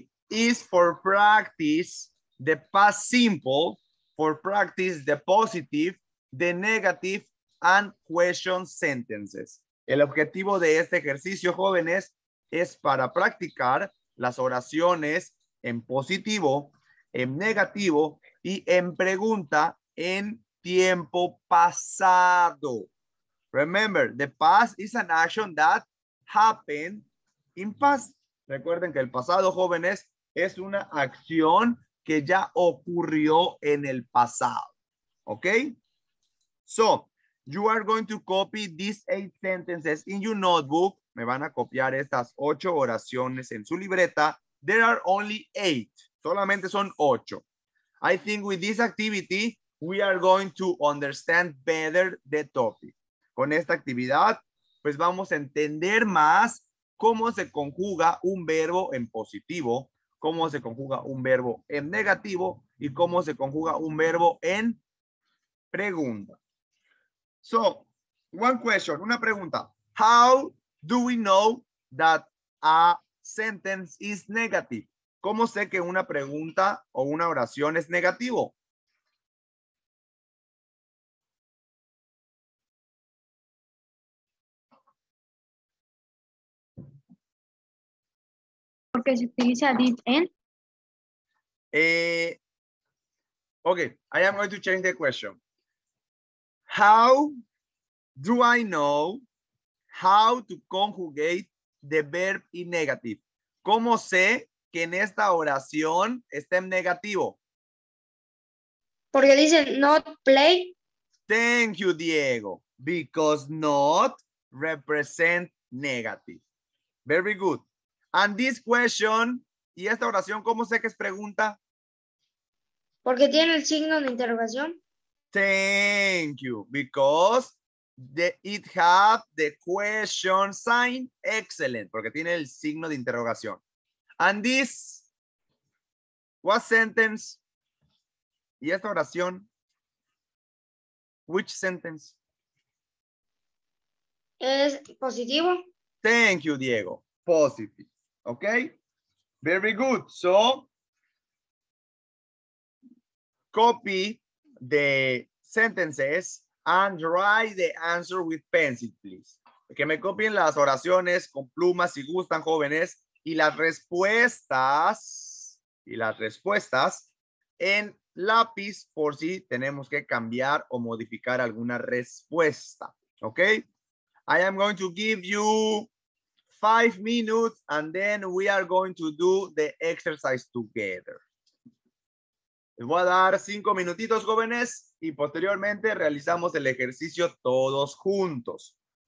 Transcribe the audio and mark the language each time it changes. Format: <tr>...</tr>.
<en>is for practice the past simple, for practice the positive, the negative, and question sentences.</en> <es>El objetivo de este ejercicio, jóvenes, es para practicar las oraciones en positivo, en negativo y en pregunta en tiempo pasado.</es> <en>Remember, the past is an action that happened in past.</en> <es>Recuerden que el pasado, jóvenes, es una acción que ya ocurrió en el pasado.</es> <en>Okay? So, you are going to copy these 8 sentences in your notebook.</en> <es>Me van a copiar estas 8 oraciones en su libreta.</es> <en>There are only 8.</en> <es>Solamente son 8.</es> <en>I think with this activity, we are going to understand better the topic.</en> <es>Con esta actividad, pues vamos a entender más cómo se conjuga un verbo en positivo, cómo se conjuga un verbo en negativo y cómo se conjuga un verbo en pregunta.</es> <en>So, one question,</en> <es>una pregunta.</es> <en>How do we know that a sentence is negative?</en> <es>¿Cómo sé que una pregunta o una oración es negativo? Porque se utiliza did and.</es> <en>Okay, I am going to change the question. How do I know how to conjugate the verb in negative?</en> <es>¿Cómo sé que en esta oración está en negativo? Porque dice not play.</es> <en>Thank you, Diego. Because not represent negative. Very good. And this question,</en> <es>¿y esta oración cómo sé que es pregunta? Porque tiene el signo de interrogación.</es> <en>Thank you, because it has the question sign.</en> <es>Excellent, porque tiene el signo de interrogación.</es> <en>And this, what sentence?</en> <es>¿Y esta oración?</es> <en>Which sentence?</en> <es>Es positivo.</es> <en>Thank you, Diego. Positive. Okay, very good. So, copy the sentences and write the answer with pencil, please.</en> <es>Que me copien las oraciones con plumas si gustan, jóvenes, y las respuestas en lápiz por si tenemos que cambiar o modificar alguna respuesta.</es> <en>Okay, I am going to give you 5 minutes and then we are going to do the exercise together.</en> <es>Les voy a dar 5 minutitos, jóvenes, y posteriormente realizamos el ejercicio todos juntos.</es>